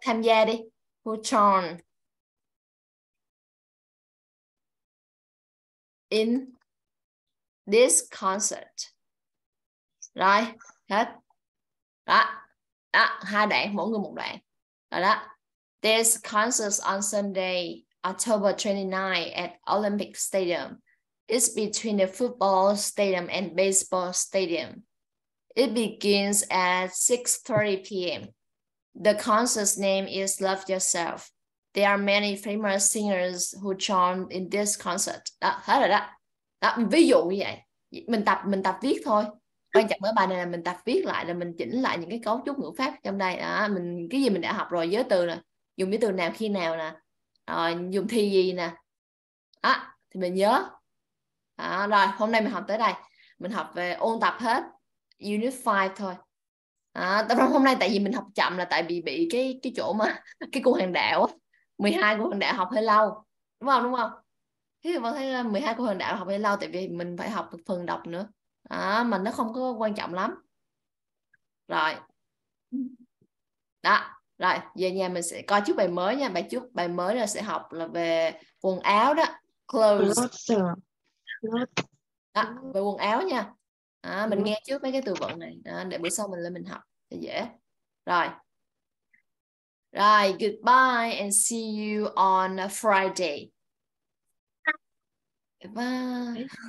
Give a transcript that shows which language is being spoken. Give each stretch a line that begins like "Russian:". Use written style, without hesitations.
Vietnamese: tham gia đi.
English: Who joined in this concert?
Vietnamese: Rồi, hết. Đó. Đó, hai đoạn, mỗi người một đoạn. Rồi đó.
English: This concert on Sunday, October 29 at Olympic Stadium. It's between the football stadium and baseball stadium. It begins at 6:30 p.m. The concert's name is Love Yourself. There are many famous singers who joined in this concert.
Vietnamese: Đó, hết rồi đó. Đó, ví dụ như vậy. Mình tập viết thôi. Quan trọng ở bài này là mình tập viết lại, là mình chỉnh lại những cái cấu trúc ngữ pháp trong đây. Đó, mình cái gì mình đã học rồi, giới từ nè. Dùng cái từ nào, khi nào nè. Rồi, dùng thì gì nè. Đó, thì mình nhớ. Đó, rồi, hôm nay mình học tới đây. Mình học về ôn tập hết. Unit 5 thôi. À, tập hôm nay tại vì mình học chậm là tại vì bị cái chỗ mà cái cung hoàng đạo 12 cung hoàng đạo học hơi lâu đúng không, đúng không? Thế mà thấy 12 cung hoàng đạo học hơi lâu tại vì mình phải học phần đọc nữa à, mà nó không có quan trọng lắm. Rồi đó, rồi về nhà mình sẽ coi chút bài mới nha. Bài trước bài mới là sẽ học là về quần áo đó, clothes Lớp đó, sờ về quần áo nha. À, mình lớp nghe trước mấy cái từ vựng này đó, để bữa sau mình lên mình học thì dễ. Rồi. Rồi,
English: goodbye and see you on Friday. Bye.